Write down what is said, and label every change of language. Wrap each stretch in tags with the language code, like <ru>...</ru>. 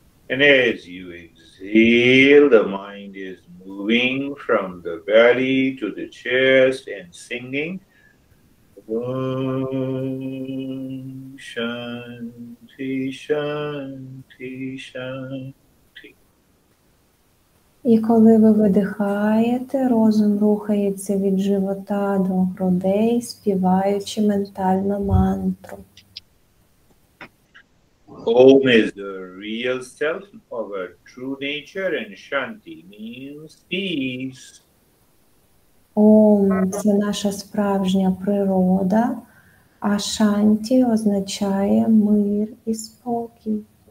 <en>And as you exhale, the mind is moving from the belly to the chest and singing Ом Шанті, Шанті, Шанті.</en> <uk>І коли ви видихаєте, розум рухається від живота до грудей, співаючи ментальну мантру.</uk> <en>Om is the real self of our true nature and Shanti means peace.</en> <uk>Om – це наша справжня природа, а Shanti означає мир і спокій.</uk>